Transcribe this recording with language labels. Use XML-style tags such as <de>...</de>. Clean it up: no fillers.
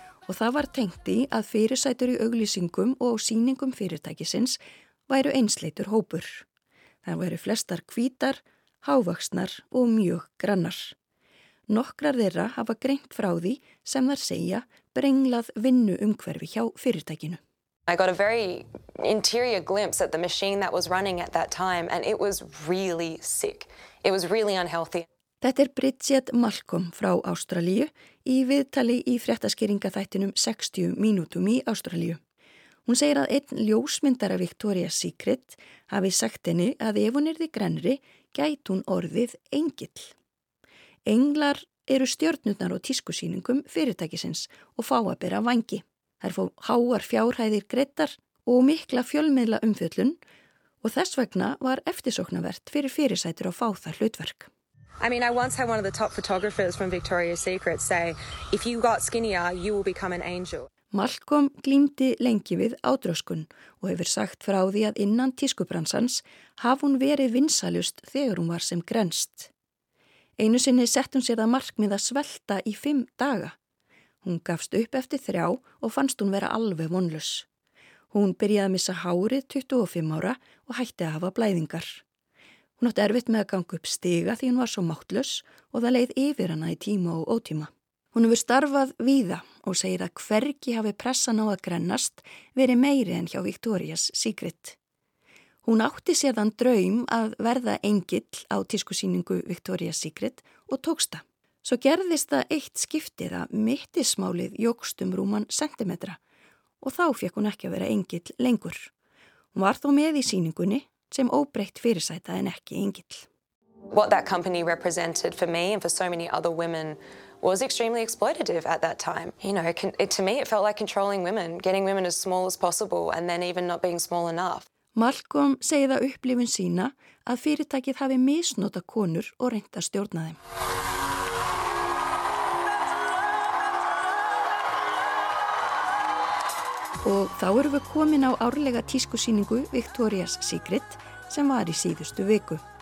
<is>Og það var tengt í að fyrirsætur í auglýsingum og sýningum fyrirtækisins væru einsleitur hópur. Það væru flestar hvítar, hávaxnar og mjög grannar. Nokkrar þeirra hafa greint frá því sem þar segja brenglað vinnu umhverfi hjá fyrirtækinu.</is> <en>I got a very interior glimpse at the machine that was running at that time and it was really sick. It was really unhealthy.</en> <is>Þetta er Bridget Malcolm frá Ástralíu í viðtali í fréttaskýringaþættinum 60 mínútum í Ástralíu. Hún segir að einn ljósmyndara Victoria's Secret hafi sagt henni að ef hún yrði grennri gæt hún orðið engill. Englar eru stjörnurnar á tískusýningum fyrirtækisins og fá að bera vangi. Þær fá háar fjárhæðir greiddar og mikla fjölmiðla umfjöllun og þess vegna var eftirsóknarvert fyrir fyrirsætur að fá það hlutverk.</is> <en>I mean, I once had one of the top photographers from Victoria's Secret say, if you got skinnier, you will become an angel.</en> <is>Malcolm glímdi lengi við ádröskun og hefur sagt frá því að innan tískubransans haf hún verið vinsalust þegar hún var sem grenst. Einu sinni sett hún sér það markmið að svelta í 5 daga. Hún gafst upp eftir 3 og fannst hún vera alveg vonlaus. Hún byrjaði að missa hárið 25 ára og hætti að hafa blæðingar. Hún átti erfitt með að ganga upp stiga því hún var svo máttlaus og það leið yfir hana í tíma og ótíma. Hún hefur starfað víða og segir að hvergi hafi pressan á að grennast verið meiri en hjá Victoria's Secret. Hún átti sér þann draum að verða engill á tískusýningu Victoria's Secret og tókst það. Svo gerðist það eitt skiptið að mittismálið jókst rúman sentimetra og þá fekk hún ekki að vera engill lengur. Hún var þó með í sýningunni sem óbreytt fyrirsæta en ekki engill.</is> <en>What that company represented for me and for so many other women was extremely exploitative at that time. You know, to me it felt like controlling women, getting women as small as possible and then even not being small enough.</en> <is>Malcolm segir það upplifun sína að fyrirtækið hafi misnotað konur og reynt að stjórna þeim. Og þá erum við komin á árlega tískusýningu Victoria's Secret sem var í síðustu viku.</is>